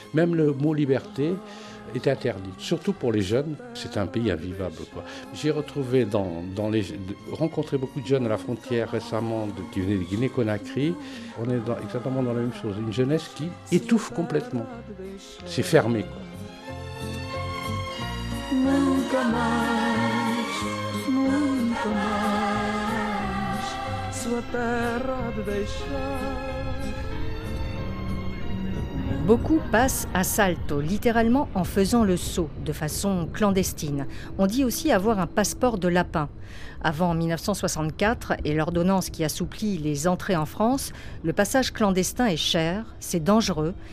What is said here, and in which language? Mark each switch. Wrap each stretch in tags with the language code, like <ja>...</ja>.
<fr>Même le mot liberté était interdit. Surtout pour les jeunes, c'est un pays invivable, quoi. J'ai retrouvé rencontré beaucoup de jeunes à la frontière récemment qui venaient de Guinée-Conakry. On est exactement dans la même chose. Une jeunesse qui étouffe complètement. C'est fermé, quoi.</fr> <pt>Nunca mais, nunca mais, sua terra de deixar.</pt> <fr>Beaucoup passent à salto, littéralement en faisant le saut, de façon clandestine. On dit aussi avoir un passeport de lapin. Avant 1964 et l'ordonnance qui assouplit les entrées en France, le passage clandestin est cher, c'est dangereux.</fr>